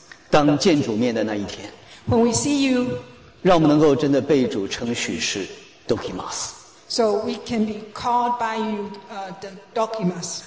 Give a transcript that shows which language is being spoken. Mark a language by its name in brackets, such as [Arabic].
[Chinese] 当见主面的那一天， [English] When we see you, [Chinese] 让我们能够真的被主称许是 Dokimas. [English] So we can be called by you the Dokimas.